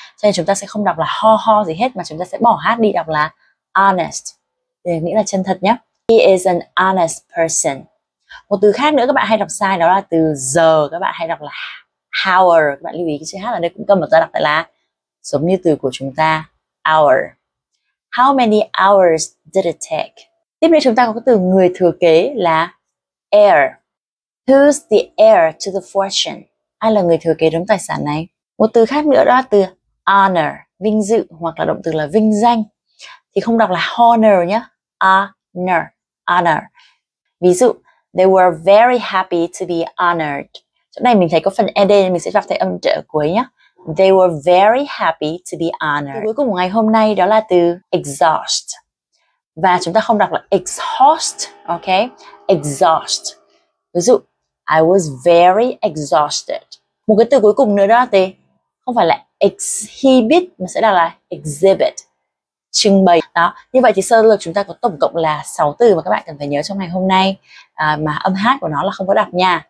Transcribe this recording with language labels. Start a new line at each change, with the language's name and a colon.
Vietnamese: Cho nên chúng ta sẽ không đọc là ho ho gì hết, mà chúng ta sẽ bỏ H đi, đọc là honest. Để nghĩa là chân thật nhé.
English: He is an honest person.
Vietnamese: Một từ khác nữa các bạn hay đọc sai đó là từ giờ. Các bạn hay đọc là hour. Các bạn lưu ý cái chữ H ở đây cũng câm, mà ta đọc lại là giống như từ của chúng ta, hour.
English: How many hours did it take?
Vietnamese: Tiếp đến chúng ta có cái từ người thừa kế là heir.
English: Who's the heir to the fortune?
Vietnamese: Ai là người thừa kế đống tài sản này? Một từ khác nữa đó là từ honor, vinh dự, hoặc là động từ là vinh danh. Thì không đọc là honor nhé.
English: Honor, honor.
Vietnamese: Ví dụ,
English: they were very happy to be honored.
Vietnamese: Chỗ này mình thấy có phần ed, mình sẽ đọc thấy âm trợ ở cuối nhé.
English: They were very happy to be honored.
Vietnamese: Từ cuối cùng ngày hôm nay đó là từ exhaust. Và chúng ta không đọc là exhaust, ok?
English: Exhaust.
Vietnamese: Ví dụ,
English: I was very exhausted.
Vietnamese: Một cái từ cuối cùng nữa đó thì không phải là exhibit mà sẽ là exhibit, trưng bày. Đó. Như vậy thì sơ lược chúng ta có tổng cộng là 6 từ mà các bạn cần phải nhớ trong ngày hôm nay, mà âm H của nó là không có đọc nha.